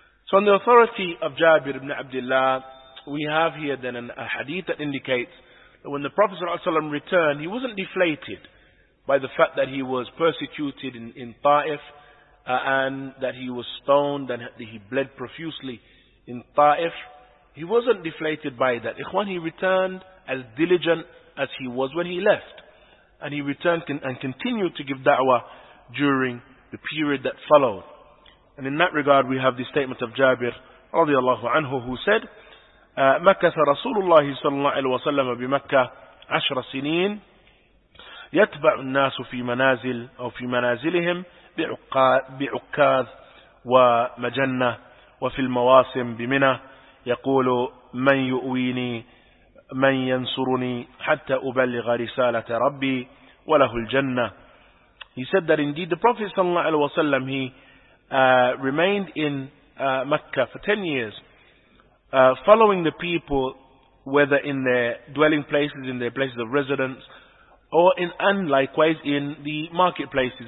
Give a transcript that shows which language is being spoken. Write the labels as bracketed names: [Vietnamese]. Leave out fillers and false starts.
[English] So on the authority of Jabir ibn Abdullah, we have here then a hadith that indicates that when the Prophet ﷺ returned, he wasn't deflated by the fact that he was persecuted in Taif, and that he was stoned and he bled profusely in Taif. He wasn't deflated by that. Ikhwan, he returned as diligent as he was when he left. And he returned and continued to give da'wah during the period that followed. And in that regard, we have the statement of Jabir radiallahu anhu, who said, [Arabic] مَكَثَ رَسُولُ اللَّهِ صَلَّى اللَّهِ وَسَلَّمَ بِمَكَّةِ عَشْرَ سِنِينَ يَتْبَعُ النَّاسُ فِي مَنَازِلِ أَوْ فِي مَنَازِلِهِمْ بِعُكَّاذ وَمَجَنَّةِ وَفِي الْمَوَاسِمْ بِمِنَى يَقُولُ مَنْ يُؤْوِينِي مَنْ يَنْصُرُنِي حَتَّى أُبَلِّغَ رِسَالَةَ رَبِّي وَلَهُ الْجَنَّةِ. [English] He said that indeed the Prophet صلى الله عليه وسلم, he remained in Mecca for 10 years, following the people, whether in their dwelling places, in their places of residence, or likewise in the marketplaces.